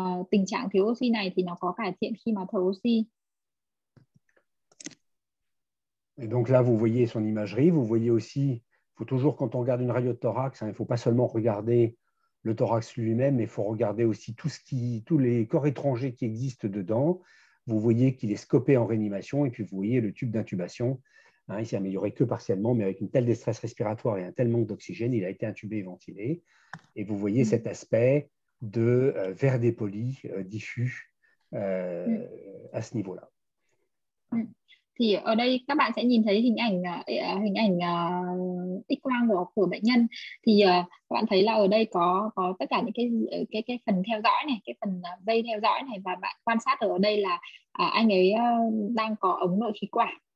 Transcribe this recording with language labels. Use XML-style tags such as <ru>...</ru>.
<vi>Tình trạng thiếu oxy này thì nó có cải thiện khi mà thở oxy.</vi> <fr>Et donc là vous voyez son imagerie, vous voyez aussi, il faut toujours, quand on regarde une radio de thorax, il ne faut pas seulement regarder le thorax lui-même, mais il faut regarder aussi tous les corps étrangers qui existent dedans. Vous voyez qu'il est scopé en réanimation et puis vous voyez le tube d'intubation. Il s'est amélioré que partiellement, mais avec une telle détresse respiratoire et un tel manque d'oxygène, il a été intubé et ventilé. Et vous voyez cet aspect de verre dépoli diffus à ce niveau-là.</fr> <vi>Thì ở đây các bạn sẽ nhìn thấy hình ảnh X quang của bệnh nhân. Thì các bạn thấy là ở đây có tất cả những cái phần theo dõi này, cái phần dây theo dõi này, và bạn quan sát ở đây là anh ấy đang có ống nội khí quản.</vi>